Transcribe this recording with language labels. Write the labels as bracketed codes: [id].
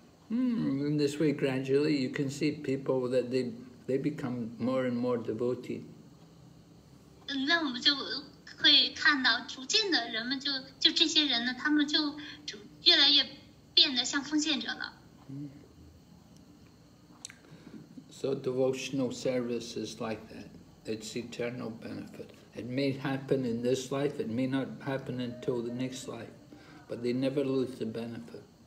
[en] In this way, gradually, you can see people that they become more and more devoted. [zh] 那我们就可以看到逐渐的人们就这些人呢,他们就越来越变得像奉献者了。 [en] So devotional service is like that. It's eternal benefit. It may happen in this life, it may not happen until the next life, but they never lose the benefit.